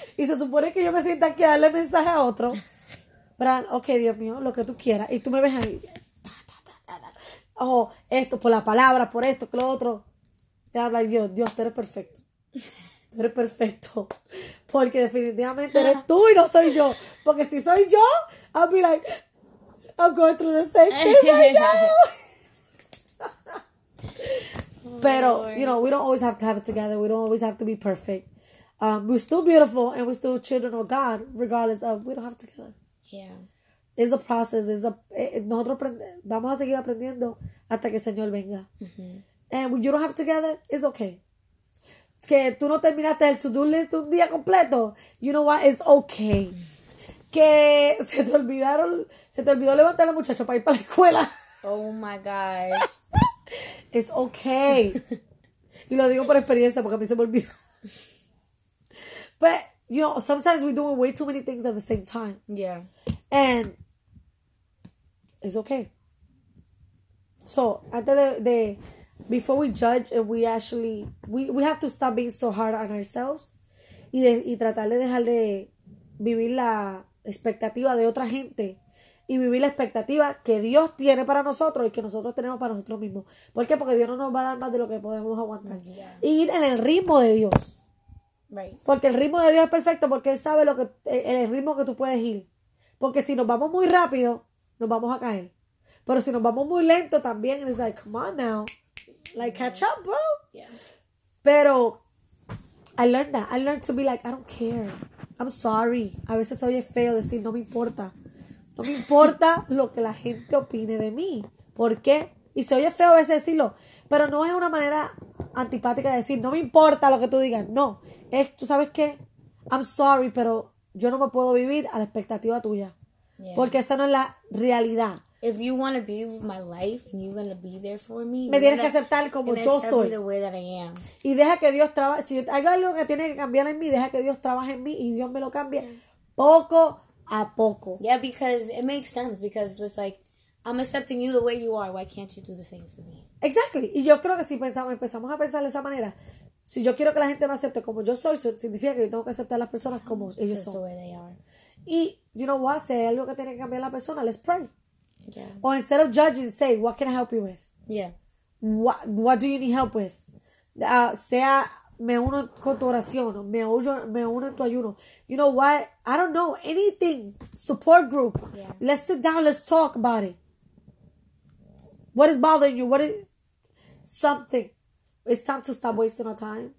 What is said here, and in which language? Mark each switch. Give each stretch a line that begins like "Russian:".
Spanish: Y se supone que yo me sienta aquí a darle mensaje a otro. Pero, ok, Dios mío, lo que tú quieras. Y tú me ves ahí. Oh, esto por la palabra, por esto, que lo otro. Te habla y Dios, tú eres perfecto. Tú eres perfecto. Porque definitivamente eres tú y no soy yo. Porque si soy yo,
English: I'll be like, I'm going through the same thing right now. Pero, you know, we don't always have to have it together. We don't always have to be perfect. We're still beautiful and we're still children of God, regardless of, we don't have it together. Yeah. It's a process.
Spanish: Nosotros vamos a seguir aprendiendo hasta que el Señor venga. Mm-hmm.
English: And when you don't have it together, it's okay.
Spanish: Que tú no terminaste el to-do list un día completo.
English: You know what? It's okay.
Spanish: Que se te olvidó levantar a la muchacha para ir para la escuela.
English: Oh my God. It's okay.
Spanish: Y lo digo por experiencia porque a mí se me olvidó.
English: But, you know, sometimes we're doing way too many things at the same time. Yeah. And it's okay. So, after the before we judge and we actually, we have to stop being so hard on ourselves
Spanish: y tratar de dejar de vivir la expectativa de otra gente. Y vivir la expectativa que Dios tiene para nosotros y que nosotros tenemos para nosotros mismos. ¿Por qué? Porque Dios no nos va a dar más de lo que podemos aguantar.
English: Yeah.
Spanish: Y ir en el ritmo de Dios.
English: Right.
Spanish: Porque el ritmo de Dios es perfecto porque Él sabe lo que el ritmo que tú puedes ir. Porque si nos vamos muy rápido, nos vamos a caer. Pero si nos vamos muy lento también,
English: it's like, come on now. Like, catch up, bro. Yeah. Pero I learned that. I learned to be like, I don't care. I'm sorry.
Spanish: A veces oye feo decir, no me importa. No me importa lo que la gente opine de mí. ¿Por qué? Y se oye feo a veces decirlo. Pero no es una manera antipática de decir, no me importa lo que tú digas. No. Es, ¿tú sabes qué?
English: I'm sorry,
Spanish: pero yo no me puedo vivir a la expectativa tuya.
English: Yeah.
Spanish: Porque esa no es la realidad.
English: If you want to be with my life and you're going to be there for me,
Spanish: me tienes que aceptar como yo soy.
English: The way that I am.
Spanish: Y deja que Dios trabaje. Si hay algo que tiene que cambiar en mí, deja que Dios trabaje en mí y Dios me lo cambie. Poco a poco.
English: Yeah, because it makes sense. Because it's like, I'm accepting you the way you are. Why can't you do the same for me? Exactly.
Spanish: Y yo creo que si empezamos a pensar de esa manera, si yo quiero que la gente me acepte como yo soy, significa que yo tengo que aceptar a las personas como
English: just
Spanish: ellos son.
English: The way they are. Y, you know what?
Spanish: Si hay algo que tiene que cambiar la persona,
English: let's pray. Yeah. Or instead of judging, say, what can I help you with? Yeah. What do you need help with?
Spanish: Sea, me uno con tu oración, me uno en tu ayuno.
English: You know what? I don't know anything. Support group. Yeah. Let's sit down. Let's talk about it. What is bothering you? What is something? It's time to stop wasting our time.